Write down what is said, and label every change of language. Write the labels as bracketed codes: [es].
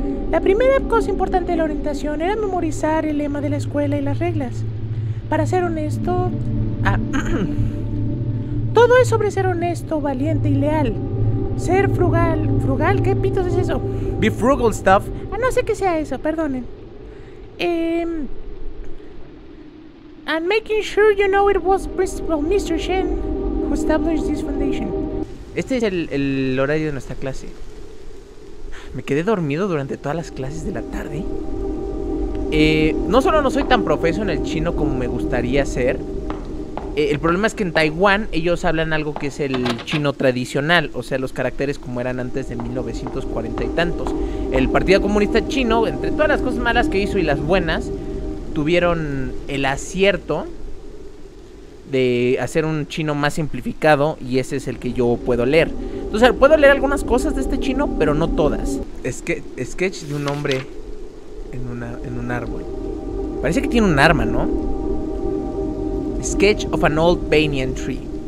[es] La primera cosa importante de la orientación era memorizar el lema de la escuela y las reglas. Para ser honesto... todo es sobre ser honesto, valiente y leal. Ser frugal. ¿Frugal? ¿Qué pitos es eso? [en] Be frugal stuff. [es] Ah, no sé qué sea eso, perdonen. [en] And making sure you know it was Principal Mr. Shen who established this foundation. [es] Este es el horario de nuestra clase. Me quedé dormido durante todas las clases de la tarde. No solo no soy tan profeso en el chino como me gustaría ser. El problema es que en Taiwán ellos hablan algo que es el chino tradicional, o sea, los caracteres como eran antes de 1940 y tantos. El Partido Comunista Chino, entre todas las cosas malas que hizo y las buenas, tuvieron el acierto de hacer un chino más simplificado y ese es el que yo puedo leer. Entonces, puedo leer algunas cosas de este chino, pero no todas. Sketch de un hombre en un árbol. Parece que tiene un arma, ¿no? [en] Sketch of an old banyan tree.